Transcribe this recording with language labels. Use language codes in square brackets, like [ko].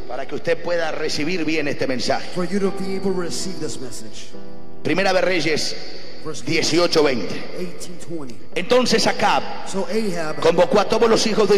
[es] Para que usted pueda recibir bien este mensaje. [en] For you to be able to receive this message. [es] Primera de Reyes 18:20. Entonces Acab convocó a todos los hijos de